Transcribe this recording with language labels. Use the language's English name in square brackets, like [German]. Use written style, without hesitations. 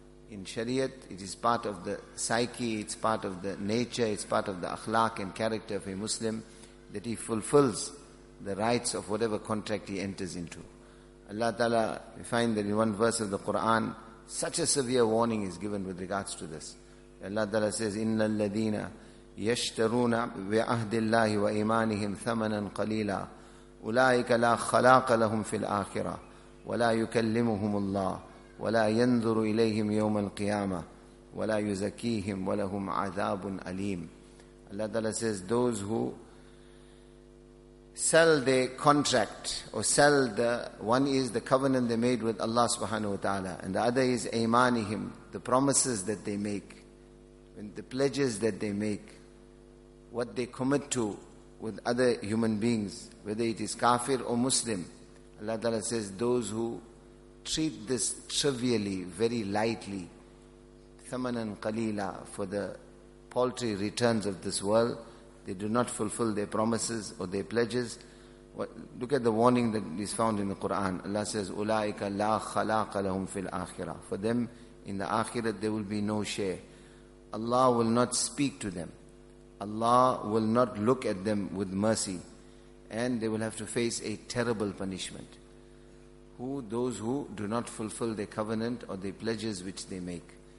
[English] In Shariat, it is part of the psyche, it's part of the nature, it's part of the akhlaq and character of a Muslim that he fulfills the rights of whatever contract he enters into. Allah Ta'ala, we find that in one verse of the Quran, such a severe warning is given with regards to this. Allah Ta'ala says, [Arabic] إِنَّ الَّذِينَ يَشْتَرُونَ بِعَهْدِ اللَّهِ وَإِيمَانِهِمْ ثَمَنًا قَلِيلًا أُولَٰئِكَ لَا خَلَاقَ لَهُمْ فِي الْآخِرَةِ وَلَا يُكَلِّمُهُمُ اللَّهِ وَلَا يَنْظُرُ إِلَيْهِمْ يَوْمَ الْقِيَامَةِ وَلَا يُزَكِّيهِمْ وَلَهُمْ عَذَابٌ أَلِيمٌ. [English] Allah Ta'ala says, those who sell the contract, or sell the, one is the covenant they made with Allah subhanahu wa ta'ala, and the other is aymanihim, the promises that they make, and the pledges that they make, what they commit to with other human beings, whether it is kafir or Muslim. Allah Ta'ala says, those who treat this trivially, very lightly, thamanan qaleela, for the paltry returns of this world, they do not fulfill their promises or their pledges. Look at the warning that is found in the Quran. Allah says, [Arabic] أُولَٰئِكَ لَا خَلَاقَ لَهُمْ فِي الْآخِرَةِ. [English] For them, in the akhirah, there will be no share. Allah will not speak to them. Allah will not look at them with mercy. And they will have to face a terrible punishment. Who? Those who do not fulfill their covenant or their pledges which they make.